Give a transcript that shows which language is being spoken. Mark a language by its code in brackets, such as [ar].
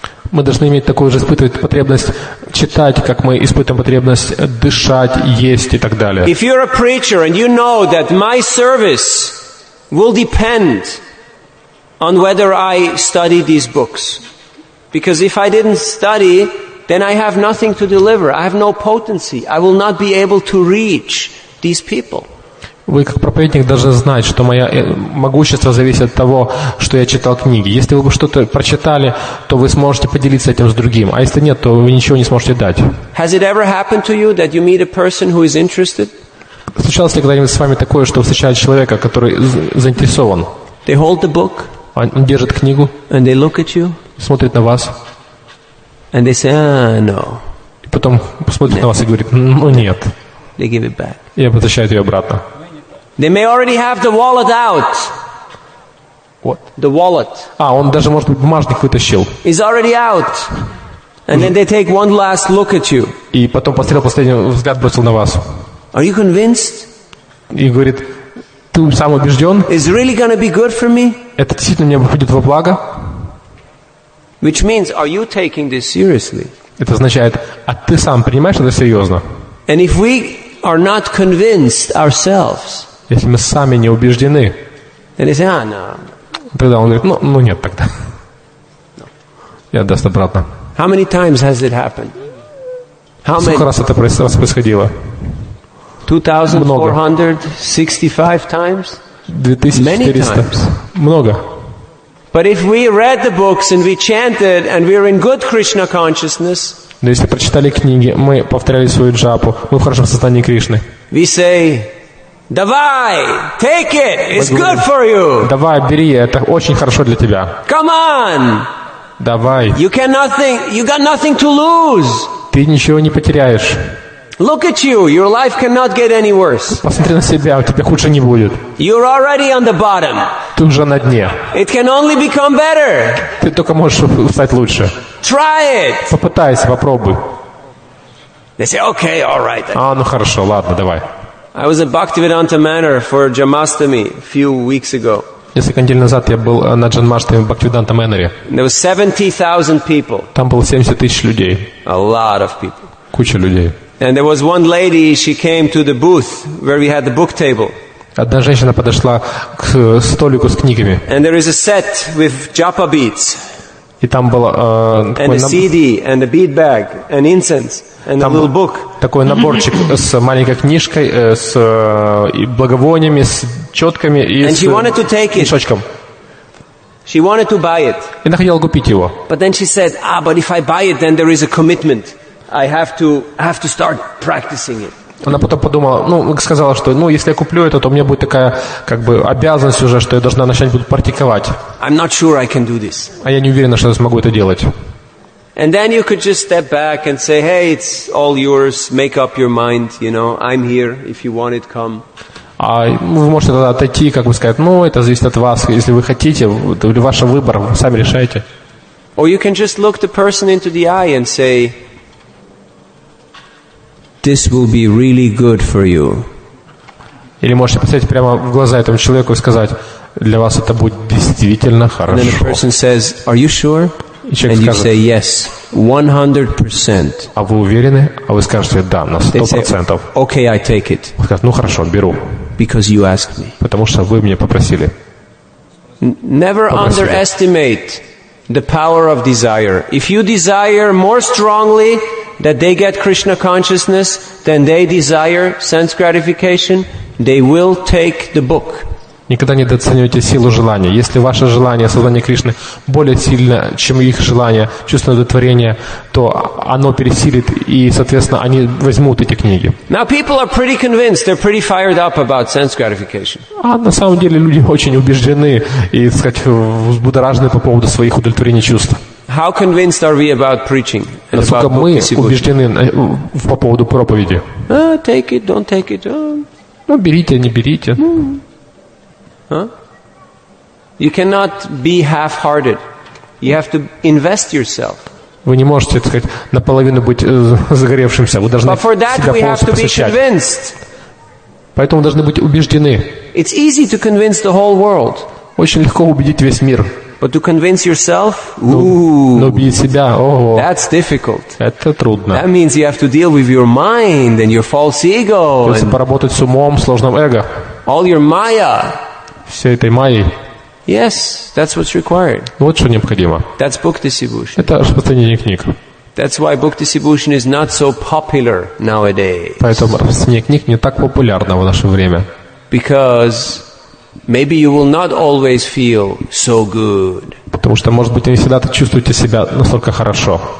[ru] Мы должны иметь такую же испытывать потребность читать, как мы испытываем потребность дышать, есть и так далее. [en] If you're a preacher and you know that my service will depend on whether I study these books, because if I didn't study, then I have nothing to deliver. I have no potency. I will not be able to reach these people. [ru] Вы как проповедник должны знать, что мое могущество зависит от того, что я читал книги. Если вы бы что-то прочитали, то вы сможете поделиться этим с другим. А если нет, то вы ничего не сможете дать. [en] Has it ever happened to you that you meet a person who is interested? [ru] Случалось ли когда-нибудь с вами такое, что вы встречали человека, который заинтересован? [en] They hold the book. [ru] Он держит книгу. [en] And they look at you. [ru] Смотрит на вас. [en] And they say, no. [ru] И потом смотрит на вас и говорит, ну нет. [en] They give it back. [ru] И возвращает ее обратно. [en] They may already have the wallet out. What? The wallet. [ru] А, он даже, может быть, бумажник вытащил. [en] It's already out. And then they take one last look at you. [ru] И потом последний взгляд бросил на вас. [en] Are you convinced? [ru] И говорит, ты сам убежден? [en] Is really going to be good for me? [ru] Это действительно мне будет во благо? [en] Which means, are you taking this seriously? [ru] Это означает, а ты сам принимаешь это серьезно? [en] And if we are not convinced ourselves, [ru] если мы сами не убеждены, [en] say, ah, no. [ru] Тогда он говорит, ну нет тогда. [en] No. [ru] И отдаст обратно. [en] How many times has it happened? How many? [ru] Сколько раз это происходило? [en] 2465 times? 2400. Many times. [ru] Много. [en] But if we read the books and we chanted and we're in good Krishna consciousness, [ru] но если прочитали книги, мы повторяли свою джапу, мы в хорошем состоянии Кришны. [en] We say, [ru] давай, [en] take it, it's good for you. [ru] Давай, бери, это очень хорошо для тебя. [en] Come on. [ru] Давай. [en] You can nothing, you got nothing to lose. [ru] Ты ничего не потеряешь. [en] Look at you, your life cannot get any worse. [ru] Посмотри на себя, у тебя хуже не будет. [en] You're already on the bottom. [ru] Ты уже на дне. [en] It can only become better. [ru] Ты только можешь стать лучше. [en] Try it. [ru] Попытайся, попробуй. [en] They say, okay, all right. [ru] А, ну хорошо, ладно, давай. [en] I was at Bhaktivedanta Manor for Jamastami a few weeks ago. [ru] Несколько недель назад я был на Джанмаштами в Бхактивиданта Мэноре. [en] There were 70,000 people. [ru] Там было 70 тысяч людей. [en] A lot of people. [ru] Куча людей. [en] And there was one lady. She came to the booth where we had the book table. [ru] Одна женщина подошла к столику с книгами. [en] And there is a set with japa beads. [ru] И там было [en] and a CD and a bead bag and incense. And [ru] там [en] a little book. [ru] Такой наборчик с маленькой книжкой, с благовониями, с четками и [en] and [ru] с [en] she wanted to take it. [ru] Мешочком. [en] She wanted to buy it. [ru] И она хотела купить его. [en] But then she said, ah, but if I buy it, then there is a commitment. I have to start practicing it. [ru] Она потом подумала, ну, сказала, что ну, если я куплю это, то у меня будет такая как бы обязанность уже, что я должна начать буду практиковать. [en] I'm not sure I can do this. [ru] А я не уверена, что я смогу это делать. [en] And then you could just step back and say, hey, it's all yours, make up your mind, you know, I'm here, if you want it, come. [ru] А вы можете тогда отойти, как бы сказать, ну, это зависит от вас, если вы хотите, это ваш выбор, сами решайте. [en] Or you can just look the person into the eye and say, this will be really good for you. [ru] Или можете посмотреть прямо в глаза этому человеку и сказать, для вас это будет действительно хорошо. [en] And then the person says, are you sure? And you say yes, 100%. [ru] А вы уверены? А вы скажете да, на 100%. [en] Okay, I take it. [ru] Вы скажете, ну хорошо, беру. [en] Because you asked me. [ru] Потому что вы меня попросили. [en] Never underestimate the power of desire. If you desire more strongly, that they get Krishna consciousness, then they desire sense gratification, they will take the book. [ru] Никогда не недооценивайте силу желания. Если ваше желание сознания Кришны более сильно, чем их желание чувственного удовлетворения, то оно пересилит, и, соответственно, они возьмут эти книги. [en] Now people are pretty convinced, they're pretty fired up about sense gratification. [ru] А на самом деле люди очень убеждены и, так сказать, взбудоражены по поводу своих удовлетворений чувств. [en] How convinced are we about preaching? [ru] Насколько мы убеждены по поводу проповеди? [en] Take it, don't take it. [ru] Ну, берите, не берите. [en] You cannot be half-hearted. You have to invest yourself. [ru] Вы не можете, так сказать, наполовину быть загоревшимся. Вы должны себя полностью посвящать. [en] But for that we have to be convinced. [ru] Поэтому вы должны быть убеждены. [en] It's easy to convince the whole world. [ru] Очень легко убедить весь мир. [en] But to convince yourself, [ru] но убедить себя, [en] that's difficult. [ru] Это трудно. [en] That means you have to deal with your mind and your false ego. [ru] Придется поработать с умом, сложным эго. [en] All your Maya. [ru] Всей этой майей. [en] Yes, that's what's required. [ru] Вот что необходимо. [en] That's book distribution. [ru] Это распространение книг. [en] That's why book distribution is not so popular nowadays. [ru] Поэтому распространение книг не так популярно в наше время. [en] Because maybe you will not always feel so good. [ru] Потому что, может быть, не всегда ты чувствуете себя настолько хорошо.